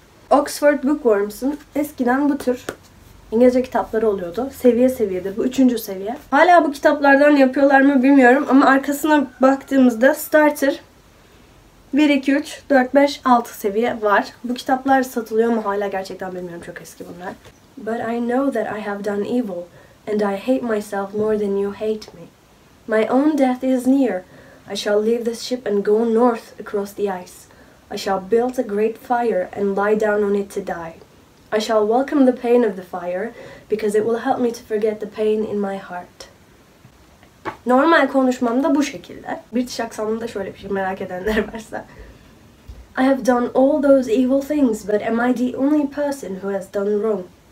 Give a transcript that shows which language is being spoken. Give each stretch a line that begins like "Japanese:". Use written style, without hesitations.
Turkish: Oxford Bookworms'ın eskiden bu tür İngilizce kitapları oluyordu. Seviye seviyedir. Bu üçüncü seviye. Hala bu kitaplardan yapıyorlar mı bilmiyorum ama arkasına baktığımızda Starter 1, 2, 3, 4, 5, 6 seviye var. Bu kitaplar satılıyor mu hala gerçekten bilmiyorum. Çok eski bunlar.
English: But I know that I have done evil and I hate myself more than you hate me. My own death is near. I shall leave this ship and go north across the ice. I shall build a great fire and lie down on it to die. I shall welcome the pain of the fire because it will help me to forget the pain in my heart.
Turkish: Normal konuşmamda bu şekilde. British aksanımda şöyle bir şey merak edenler varsa.
English: I have done all those evil things, but am I the only person who has done wrong?